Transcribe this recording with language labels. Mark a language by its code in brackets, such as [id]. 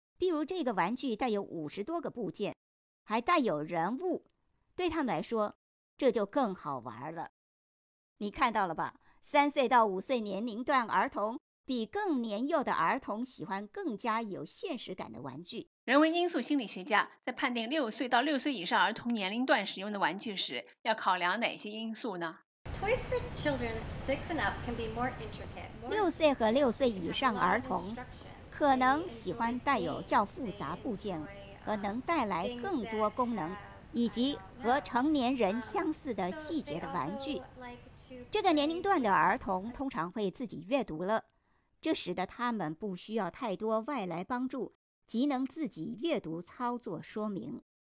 [zh] 譬如这个玩具带有50多个部件，还带有人物，对他们来说这就更好玩了。你看到了吧，三岁到五岁年龄段儿童比更年幼的儿童喜欢更加有现实感的玩具。人为因素心理学家在判定六岁到六岁以上儿童年龄段使用的玩具时要考量哪些因素呢？ [en] Toys for children 6 and up can be more intricate. [zh] 六岁和六岁以上儿童可能喜欢带有较复杂部件和能带来更多功能以及和成年人相似的细节的玩具。这个年龄段的儿童通常会自己阅读了，这使得他们不需要太多外来帮助，即能自己阅读操作说明。